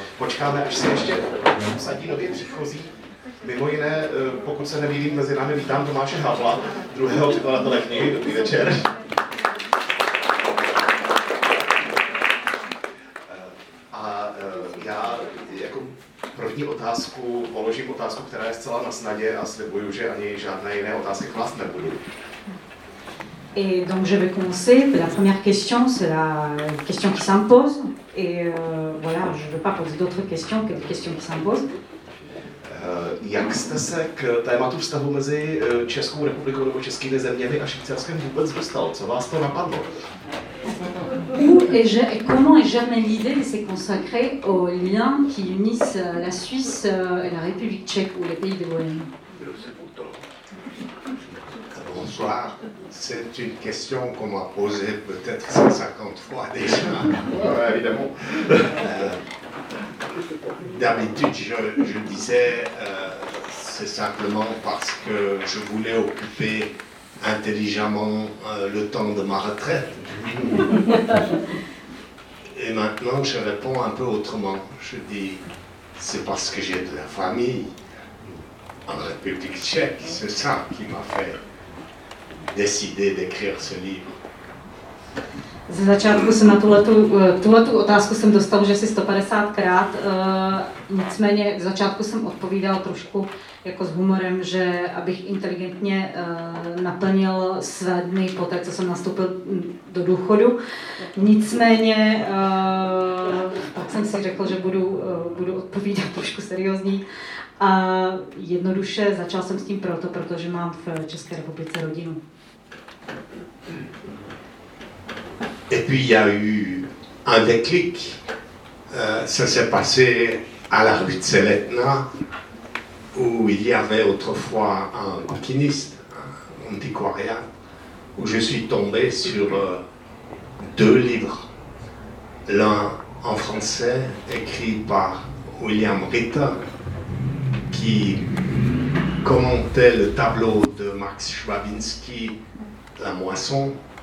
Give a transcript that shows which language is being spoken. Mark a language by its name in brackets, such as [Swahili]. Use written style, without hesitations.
[Czech] Počkáme, až se ještě usadí nově příchozí. Mimo jiné, pokud se nemýlím, mezi námi vítám Tomáše Havla, druhého překladatele knihy. Dobrý večer. A já jako první otázku položím otázku, která je zcela na snadě, a slibuju, že ani žádné jiné otázky klást nebudu. [French] Et donc je vais commencer. La première question, c'est la question qui s'impose. Et voilà, je ne veux pas poser d'autres questions que les questions qui s'imposent. [Czech] Jak jste se k tématu vztahu mezi Českou republikou nebo českými zeměmi a Švýcarskem vůbec dostal? Co vás to napadlo? [French] Comment est jamais l'idée de se consacrer aux liens qui unissent la Suisse et la République tchèque ou les pays de Bohème? Bonsoir. C'est une question qu'on m'a posée peut-être 150 fois déjà. Ouais, évidemment. D'habitude, je disais, c'est simplement parce que je voulais occuper intelligemment le temps de ma retraite. Et maintenant, je réponds un peu autrement. Je dis, c'est parce que j'ai de la famille en République tchèque, c'est ça qui m'a fait décider d'écrire ce livre. [Czech] Ze začátku jsem na tuhletu otázku jsem dostal, že asi 150krát, nicméně v začátku jsem odpovídal trošku jako s humorem, že abych inteligentně naplnil své dny po té, co jsem nastoupil do důchodu. Nicméně pak jsem si řekl, že budu odpovídat trošku seriózní. A jednoduše začal jsem s tím proto, protože mám v České republice rodinu. [French] Et puis il y a eu un déclic, ça s'est passé à la rue de Seletna, où il y avait autrefois un bouquiniste, un antiquariat, où je suis tombé sur deux livres, l'un en français, écrit par William Ritter, qui commentait le tableau de Max Chwabinski, La Moisson,